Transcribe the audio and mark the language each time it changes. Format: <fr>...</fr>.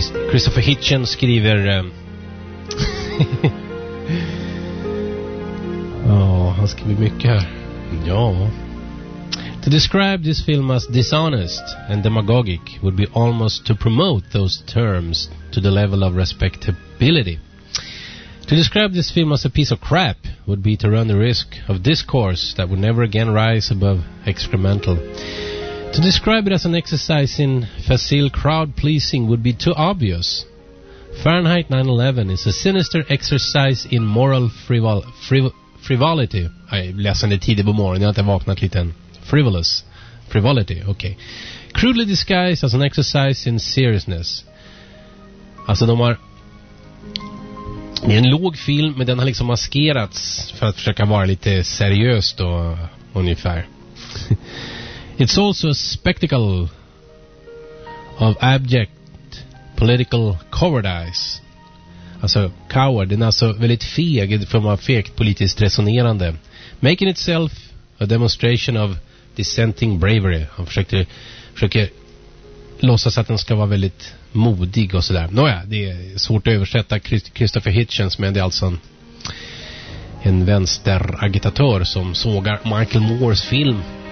<sv>Christopher Hitchens skriver han skriver mycket här. Ja.</sv> <en>To describe this film as dishonest and demagogic would be almost to promote those terms to the level of respectability. To describe this film as a piece of crap would be to run the risk of discourse that would never again rise above excremental. To describe it as an exercise in facile crowd-pleasing would be too obvious. Fahrenheit 9/11 is a sinister exercise in moral frivolity.</en> <sv>Jag läsande tidigt på morgonen, jag har inte vaknat lite än.</sv> <en>Frivolous. Frivolity, okej. Okay. Crudely disguised as an exercise in seriousness.</en> <sv>Alltså de har... Det är en låg film, men den har liksom maskerats för att försöka vara lite seriöst då, ungefär.</sv> <en>It's also a spectacle of abject political cowardice.</en> <sv>Alltså coward, den är alltså väldigt feg i form av fegt politiskt resonerande.</sv> <en>Making itself a demonstration of dissenting bravery.</en> <sv>Han försöker låtsas att den ska vara väldigt modig och sådär. Nåja, det är svårt att översätta Christopher Hitchens, men det är alltså en vänsteragitatör som sågar Michael Moores film.</sv>